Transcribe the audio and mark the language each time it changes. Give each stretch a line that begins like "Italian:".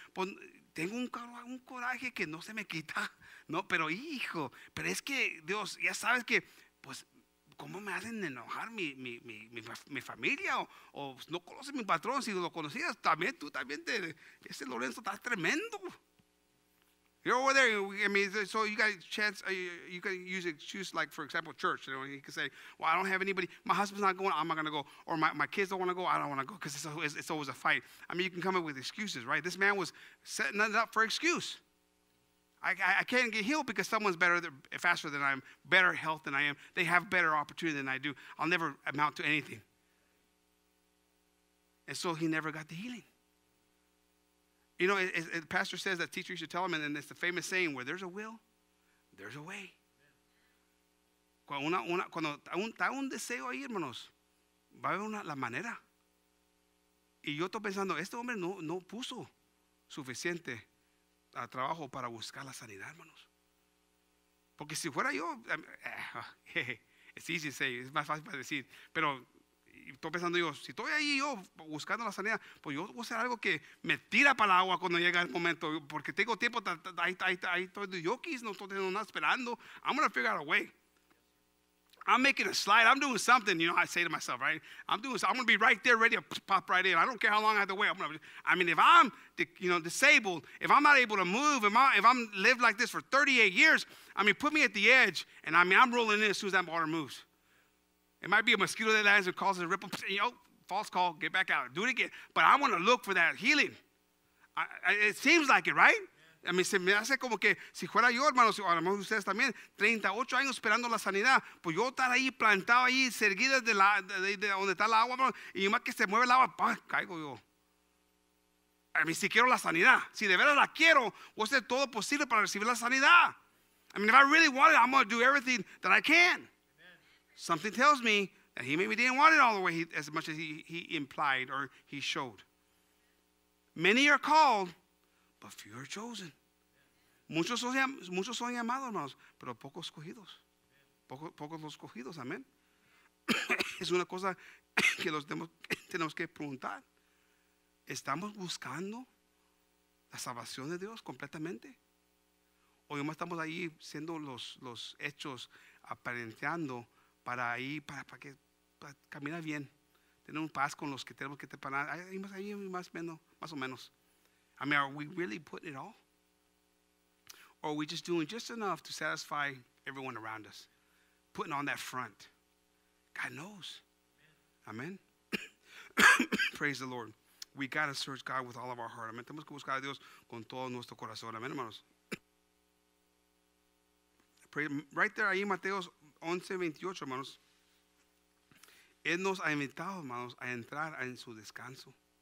Spanish: Pues tengo un coraje que no se me quita. No, pero hijo, pero es que Dios, ya sabes que, pues, ¿cómo me hacen enojar mi familia? O no conoce mi patrón, si lo conocías, también tú también, ese Lorenzo está tremendo.
English: You're over there, I mean, so you got a chance, you can choose like, for example, church. You know, you can say, well, I don't have anybody, my husband's not going, I'm not going to go. Or my kids don't want to go, I don't want to go, because it's always a fight. I mean, you can come up with excuses, right? This man was setting it up for excuse. I can't get healed because someone's faster than I am, better health than I am. They have better opportunity than I do. I'll never amount to anything. And so he never got the healing. You know, the pastor says that teachers should tell him, and it's the famous saying, where there's a will, there's a way.
Spanish: Cuando está un deseo ahí, hermanos, va a haber la manera. Y yo estoy pensando, este hombre no puso suficiente a trabajo para buscar la sanidad, hermanos. Porque si fuera yo, es más fácil para decir, pero estoy pensando yo, si estoy ahí yo buscando la sanidad, pues yo voy a hacer algo que me tira para el agua cuando llega el momento, porque tengo tiempo, ahí estoy de yokis, no estoy teniendo nada esperando.
English: I'm going to figure out a way. I'm making a slide, I'm doing something, you know, I say to myself, right? I'm going to be right there, ready to pop right in. I don't care how long I have to wait. If I'm, disabled, if I'm not able to move, if I'm lived like this for 38 years, I mean, put me at the edge, and I'm rolling in as soon as that water moves. It might be a mosquito that lands and causes a ripple, you know, false call, get back out, do it again. But I want to look for that healing. It seems like it, right?
Spanish: A mí se me hace como que, si fuera yo, hermanos, o a lo mejor ustedes también, 38 años esperando la sanidad, pues yo estar ahí plantado ahí, seguido de donde está el agua, hermano, y más que se mueve el agua, ¡pam!, caigo yo. A mí si quiero la sanidad, si de verdad la quiero, voy a hacer todo posible para recibir la sanidad.
English: If I really want it, I'm going to do everything that I can. Amen. Something tells me that he maybe didn't want it all the way as much as he implied or he showed. Many are called, but few are chosen.
Spanish: Muchos son llamados, hermanos, pero pocos escogidos. Pocos los escogidos, amén. Es una cosa que tenemos que preguntar. ¿Estamos buscando la salvación de Dios completamente? ¿O yo más estamos ahí siendo los hechos, aparentando para ahí, para caminar bien? Tener un paz con los que tenemos que tener. Ahí más o menos.
English: I mean, are we really putting it all? Or are we just doing just enough to satisfy everyone around us? Putting on that front. God knows. Amen. Praise the Lord. We got to search God with all of our heart. Amen.
Spanish: Tenemos que buscar a Dios con todo nuestro corazón. Amen, hermanos.
English: Right there,
Spanish: ahí, Mateos 11:28, hermanos. Él nos ha invitado, hermanos, a entrar en su descanso.